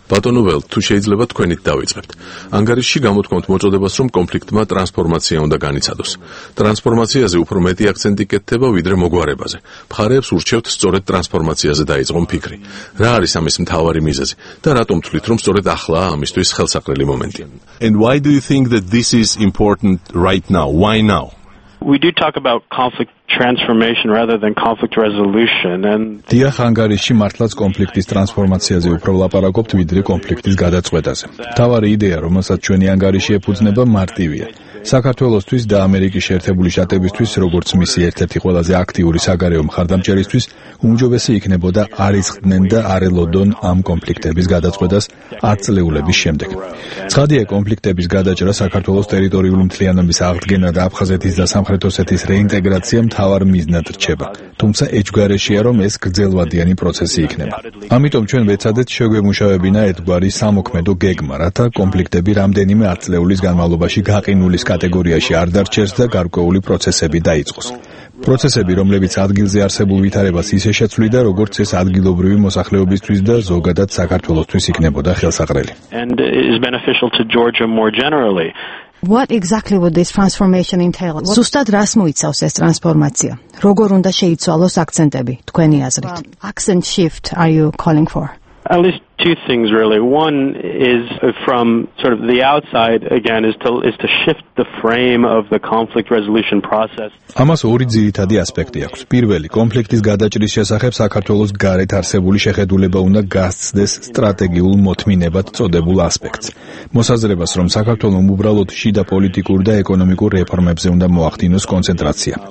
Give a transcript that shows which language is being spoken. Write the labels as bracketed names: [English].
[Georgian] ბატონოველ, თუ შეიძლება თქვენით დავიწყებთ. ანგარიშში გამოთქვამთ მოწოდებას, რომ კონფლიქტმა ტრანსფორმაცია უნდა განიცადოს. ტრანსფორმაციაზე უფრო მეტი აქცენტი კეთდება, ვიდრე მოგვარებაზე. მხარეებს ურჩევთ სწორედ ტრანსფორმაციაზე დაიწყონ ფიქრი. რა არის ამის მთავარი მიზეზი და რატომ თვლით, რომ სწორედ ახლა ამისთვის ხელსაყრელი მომენტია? [English] And why do you think that this is important right now? Why now? We do talk about conflict transformation rather than conflict resolution and [Georgian] დია ხანგარიში მართლაც კონფლიქტის ტრანსფორმაციაზე უფრო ლაპარაკობთ ვიდრე კონფლიქტის გადაწყვეტაზე. მთავარი იდეა, რომელსაც ჩვენი ანგარიში ეფუძნება, მარტივია. საქართველოსთვის და ამერიკის შეერთებული შტატებისთვის, როგორც მისი ერთ-ერთი ყველაზე აქტიური საგარეო მხარდამჭერისთვის, უმჯობესი იქნებოდა არ ისხდნენ და არ ელოდონ ამ კონფლიქტების გადაწყვეტას არწლეულების შემდეგ. ცხადია, კონფლიქტების გადაჭრა, საქართველოს ტერიტორიული მთლიანობის აღდგენა და აფხაზეთის და სამხრეთ ოსეთის რეინტეგრაცია მთავარ მიზნად რჩება, თუმცა ეჭვგარეშეა, რომ ეს გრძელვადიანი პროცესი იქნება. ამიტომ ჩვენ ვეცადეთ შეგვემუშავებინა ერთგვარი სამოქმედო გეგმა, რათა კონფლიქტები რამდენიმე არწლეულის განმავლობაში გაყინული კატეგორიაში არ დარჩეს და გარკვეული პროცესები დაიწყოს. პროცესები, რომლებიც ადგილზე არსებულ ვითარებას ისე შეცვლიდა, როგორც ეს ადგილობრივი მოსახლეობისთვის და ზოგადად საქართველოსთვის იქნებოდა ხელსაყრელი. [English] And is beneficial to Georgia more generally. What exactly would this transformation entail? [Georgian] ზუსტად რას მოიცავს ეს ტრანსფორმაცია? როგორ უნდა შეიცვალოს აქცენტები თქვენი აზრით? [English] Accent shift are you calling for? At least two things really. One is from sort of the outside again is to shift the frame of the conflict resolution process. [Georgian] ამას ორი ძირითადი ასპექტი აქვს. პირველი, კონფლიქტის გადაჭრის შესახებ საქართველოს გარეთ არსებული შეხედულება უნდა გასცდეს სტრატეგიულ მოთმინებად წოდებულ ასპექტს. მოსაზრებას, რომ საქართველომ უბრალოდ შიდა პოლიტიკურ და ეკონომიკურ რეფორმებზე უნდა მოახდინოს კონცენტრაცია.